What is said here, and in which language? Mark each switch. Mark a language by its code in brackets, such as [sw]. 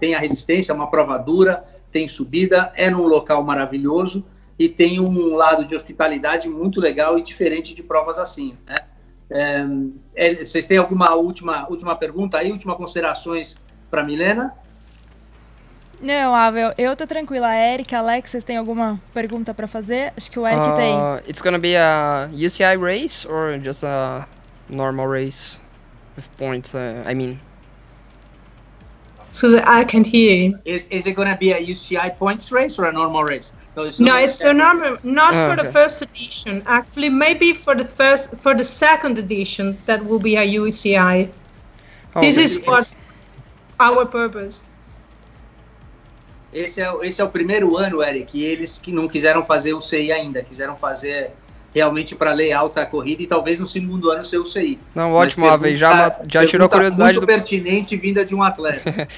[pt] Tem a resistência, uma prova dura, tem subida, é num local maravilhoso e tem um lado de hospitalidade muito legal e diferente de provas assim, né? Vocês têm alguma última pergunta aí, última considerações para Milena? Não, Abel, eu tô tranquila. Eric, Alex, vocês têm alguma pergunta para fazer? Acho que o Eric tem. [en] It's gonna be a UCI race or just a normal race with points, I mean? So I can't hear you. Is it gonna be a UCI points race or a normal race? No, it's not okay. For the first edition. Actually, maybe for the second edition, that will be a UCI. Our purpose. [pt] Esse é o primeiro ano, Eric, e eles que não quiseram fazer o CI ainda, quiseram fazer realmente para layout a corrida e talvez no segundo ano ser o CI. Não, ótimo, Ave, já tirou a curiosidade. Muito pertinente vinda de um atleta.